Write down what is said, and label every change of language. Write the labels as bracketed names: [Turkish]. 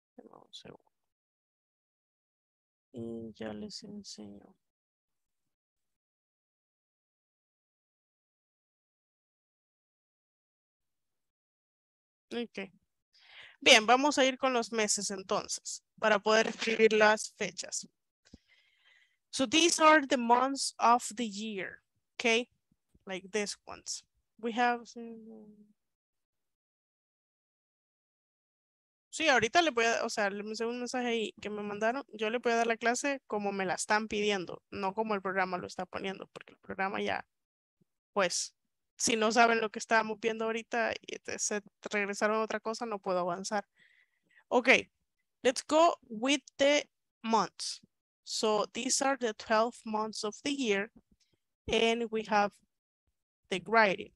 [Spanish] No, un segundo. Y ya les enseño. Ok. Bien, vamos a ir con los meses entonces, para poder escribir las fechas. [English] So these are the months of the year. Okay? Like these ones. We have... [Spanish] Sí, ahorita le voy a, o sea, me un mensaje ahí que me mandaron. Yo le voy a dar la clase como me la están pidiendo, no como el programa lo está poniendo, porque el programa ya, pues, si no saben lo que estábamos viendo ahorita y se regresaron a otra cosa, no puedo avanzar. [English] Ok, let's go with the months. So, these are the 12 months of the year, and we have the writing.